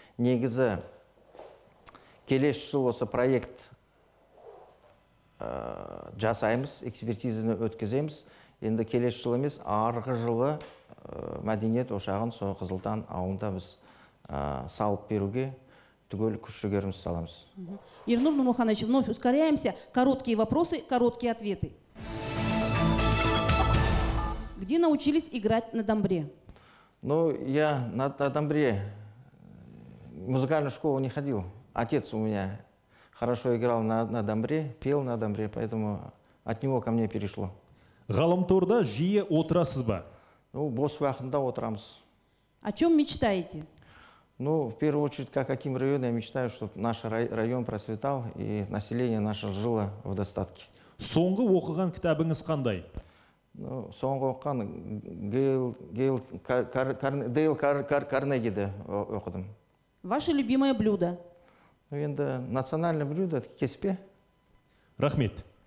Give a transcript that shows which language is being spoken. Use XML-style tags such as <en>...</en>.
<kk>Негізі келесі жыл осы проект жасаймыз, экспертизіні өткіземіз. Енді келесі жыл емес, арғы жылы мәдениет ошағын сол Қызылтан ауылында біз салып беруге түгел күш-жігерімізді саламыз.</kk> <ru>Ернур Нұрмұханович, вновь ускоряемся. Короткие вопросы, короткие ответы. Где научились играть на домбре? Ну, я на домбре музыкальную школу не ходил. Отец у меня хорошо играл на домбре, пел на домбре, поэтому от него ко мне перешло.</ru> <kk>Ғаламторда жиі отырасыз ба? Ну, бос уақытында отырамыз.</kk> <ru>О чем мечтаете? Ну, в первую очередь, как каким районом, я мечтаю, чтобы наш район процветал и население наше жило в достатке.</ru> <kk>Соңғы оқыған кітабыңыз қандай? Ну, соңғы оқыған Дейл Карнегиді оқыдым.</kk> <ru>Ваше любимое блюдо?</ru> <kk>Ну, енді</kk> <ru>национальное блюдо,</ru> <kk>кеспе. Рахмет.</kk>